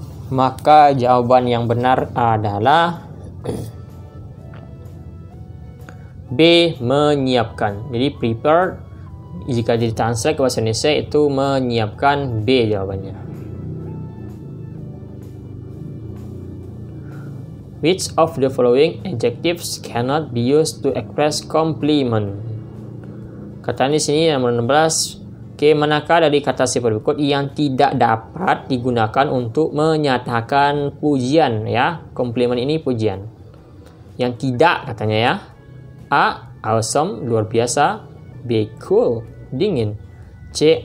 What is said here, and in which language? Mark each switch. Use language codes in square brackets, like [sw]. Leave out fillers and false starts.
[id] Maka jawaban yang benar adalah B. Menyiapkan. Jadi prepare jika ditranslate ke bahasa Indonesia itu menyiapkan, B jawabannya. [en] Which of the following adjectives cannot be used to express compliment? [id] Kata di sini yang nomor 16. Okay, manakah dari kata sifat berikut yang tidak dapat digunakan untuk menyatakan pujian, ya? Compliment ini pujian. Yang tidak katanya ya. A. Awesome, luar biasa. B. Cool, dingin. C.